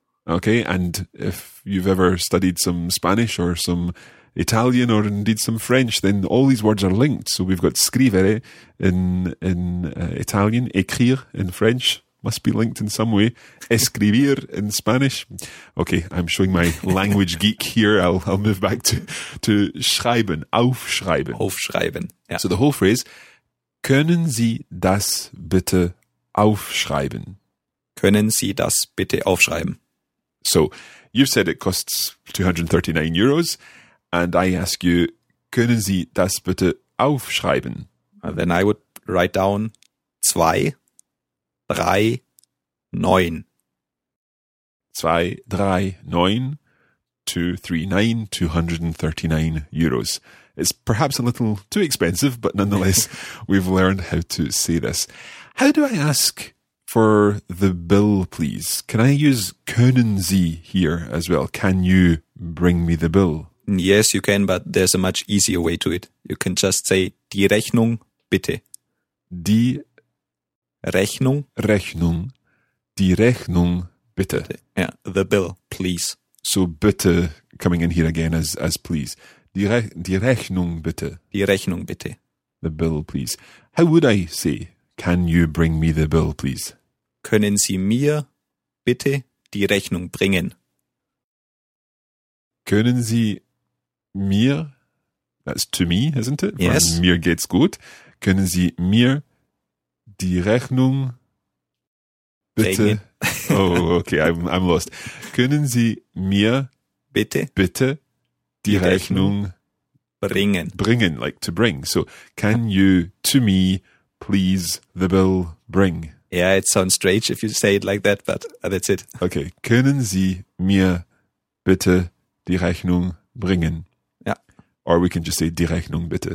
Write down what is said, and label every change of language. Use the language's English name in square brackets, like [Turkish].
[English] Okay, and if you've ever studied some Spanish or some Italian or indeed some French, then all these words are linked. So we've got scrivere in Italian, écrire in French must be linked in some way, escribir in Spanish. Okay, I'm showing my language geek here. I'll move back to schreiben, aufschreiben. [German] Aufschreiben, yeah. So the whole phrase, können Sie das bitte aufschreiben? Können Sie das bitte aufschreiben? [English] So you said it costs 239 euros. [German] And I ask you, können Sie das bitte aufschreiben? [English] And then I would write down 2, 3, 9. 2, 3, 9, 239, 239 euros. It's perhaps a little too expensive, but nonetheless, we've learned how to say this. How do I ask for the bill, please? Can I use können Sie here as well? Can you bring me the bill? Yes, you can, but there's a much easier way to it. You can just say, [German] die Rechnung, bitte. Die Rechnung. Rechnung. Die Rechnung, bitte. [English] Yeah, the bill, please. So bitte, coming in here again as please. [German] Die Rechnung, bitte. Die Rechnung, bitte. [English] The bill, please. How would I say, can you bring me the bill, please? [German] Können Sie mir bitte die Rechnung bringen? Können Sie mir, [English] that's to me, isn't it? Yes. [German] Von mir geht's gut. Können Sie mir die Rechnung bitte? [English] Oh, okay, I'm lost. [German] Können Sie mir bitte die Rechnung bringen? [English] Bringen, like to bring. So, can you to me please the bill bring? Yeah, it sounds strange if you say it like that, but that's it. Okay. [German] Können Sie mir bitte die Rechnung bringen? [English] Yeah. Or we can just say [German] die Rechnung bitte.